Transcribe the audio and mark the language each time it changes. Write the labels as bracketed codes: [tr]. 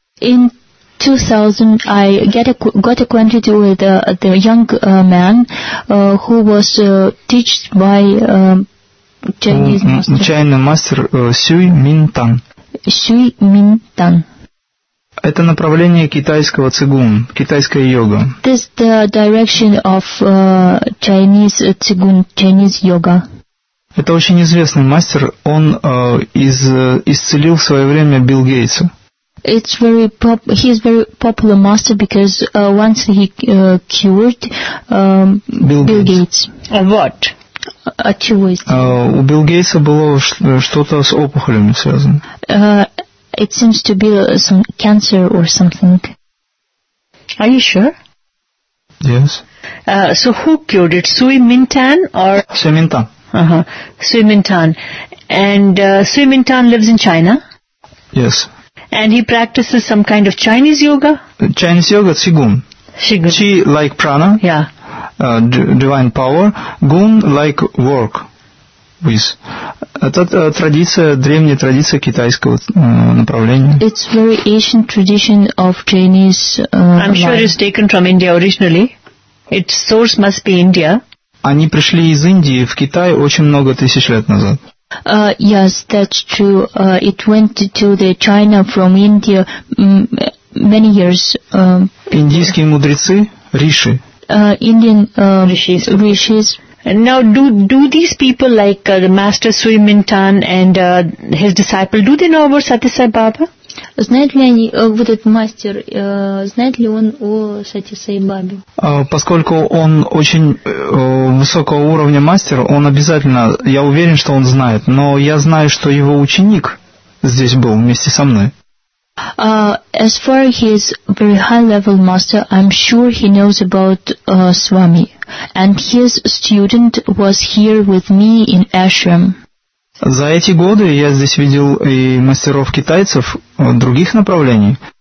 [en] In 2000, I got acquainted with the young man who was taught by Chinese master Сюминтан. Сюминтан. [ru] Это направление китайского цигун, китайская йога. [en] This is the direction of Chinese цигун, Chinese yoga. [ru] Это очень известный мастер, он исцелил в свое время Билл Гейтса. [en] It's very he is very popular master because once he cured Bill Gates. And what? [ru] От чего исцелил? У Билл Гейтса было что-то с опухолями связано. [en] It seems to be some cancer or something. Are you sure? Yes. So who cured it? Сюминтан or? Сюминтан. Сюминтан. And Сюминтан lives in China? Yes. And he practices some kind of Chinese yoga? Chinese yoga, Цигун. Цигун. Чи like prana. Yeah. Divine power. Гун like work. With. [ru] Это традиция, древняя традиция китайского направления. [en] It's very ancient tradition of Chinese. I'm sure it's taken from India originally. Its source must be India. [ru] Они пришли из Индии в Китай очень много тысяч лет назад. [en] Yes, that's true. It went to the China from India many years. [ru] Индийские мудрецы, риши. [en] Indian rishis. And now, do these people like the master Сюминтан and his disciple, do they know about Сати Сай Баба? [ru] Знает ли они, вот этот мастер, знает ли он о Сати Сай Бабе? Поскольку он очень высокого уровня мастер, он обязательно, я уверен, что он знает, но я знаю, что его ученик здесь был вместе со мной. [en] As far as he is very high level master, I'm sure he knows about Swami. And his student was here with me in ashram. [ru] За эти годы я здесь видел и мастеров китайцев других направлений.